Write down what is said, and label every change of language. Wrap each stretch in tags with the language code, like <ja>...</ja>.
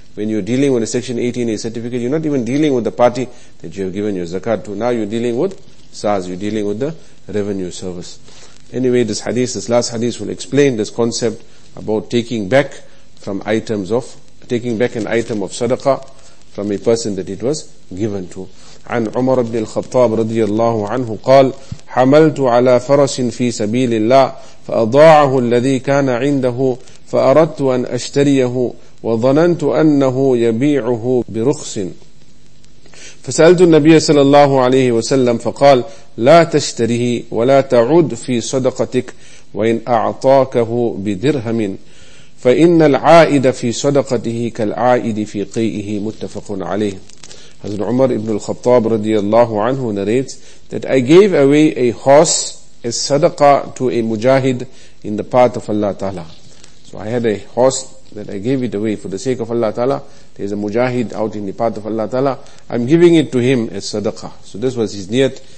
<en>When you're dealing with a Section 18A certificate, you're not even dealing with the party that you have given your zakat to. Now you're dealing with SARS, you're dealing with the revenue service. Anyway, this hadith, this last hadith will explain this concept about taking back from items of, taking back an item of sadaqah from a person that it was given to.</en> <ar>عن عمر بن الخطاب رضي الله عنه قال حملت على فرس في سبيل الله فأضاعه الذي كان عنده فأردت أن أشتريه وظننت أنه يبيعه برخص فسألت النبي صلى الله عليه وسلم فقال لا تشتريه ولا تعود في صدقتك وإن أعطاكه بدرهم فإن العائد في صدقته كالعائد في قيئه متفق عليه.</ar> <en>Hazrat Umar ibn al-Khattab radiyallahu anhu narrates that I gave away a horse as sadaqah to a mujahid in the path of Allah Ta'ala. So I had a horse that I gave it away for the sake of Allah Ta'ala. There's a mujahid out in the path of Allah Ta'ala. I'm giving it to him as sadaqah. So this was his niyat.</en>